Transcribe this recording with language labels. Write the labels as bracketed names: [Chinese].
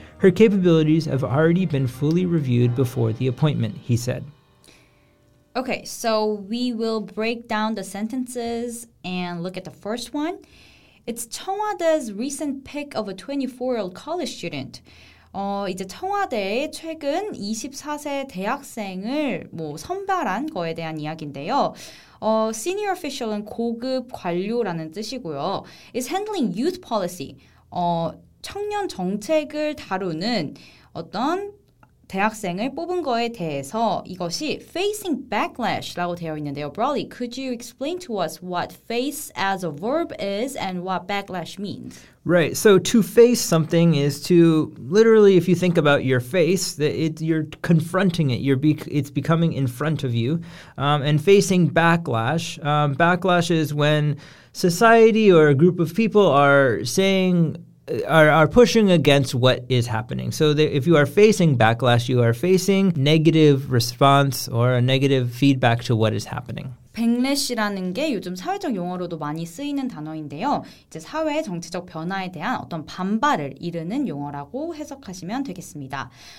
[English] Her capabilities have already been fully reviewed before the appointment, he said. Okay, so we will break down the sentences and look at the first one. It's 청와대's recent pick of a 24-year-old college student. [Korean] 이제 청와대에 최근 24세 대학생을 뭐 선발한 거에 대한 이야기인데요. [English] Senior official [Korean] 은 고급 관료라는 뜻이고요. [English] Is handling youth policy. [Korean] 청년 정책을 다루는 어떤 대학생을 뽑은 거에 대해서 이것이 [English] facing backlash [Korean] 라고 되어 있는데요. [English] Brawley, could you explain to us what face as a verb is and what backlash means? Right. So to face something is to literally, if you think about your face, that you're confronting it. It's becoming in front of you. And facing backlash. Backlash is when society or a group of people are saying, are pushing against what is happening. So if you are facing backlash, you are facing negative response or a negative feedback to what is happening. [Korean] Backlash라는 게 요즘 사회적 용어로도 많이 쓰이는 단어인데요. 이제 사회의 정치적 변화에 대한 어떤 반발을 이르는 용어라고 해석하시면 되겠습니다.